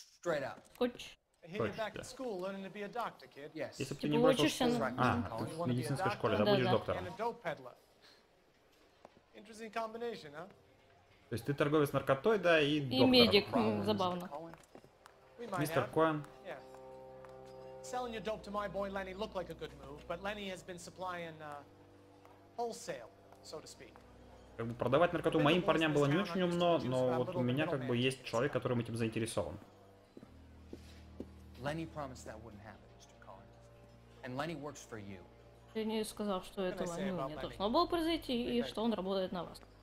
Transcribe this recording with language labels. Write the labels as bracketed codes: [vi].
[en] Straight up. [ru] Скотч. Скотч, да. Если бы ты не бросил... А, ты в медицинской школе, да, будешь доктором. [en] Interesting combination, huh? [ru] То есть ты торговец наркотой, да, и доктор. И медик, забавно. Мистер Коэн. [en] Selling your dope to my boy Lenny looked like a good move, but Lenny has been supplying wholesale, so to speak. [ru] Как бы продавать наркоту моим парням было не очень умно, но вот у меня как бы есть человек, которым этим заинтересован. [en] Lenny promised that wouldn't happen, Mr. Cohen. And Lenny works for you. [ru] Ты не сказал, что это Лени не должно было произойти, и что он работает на вас.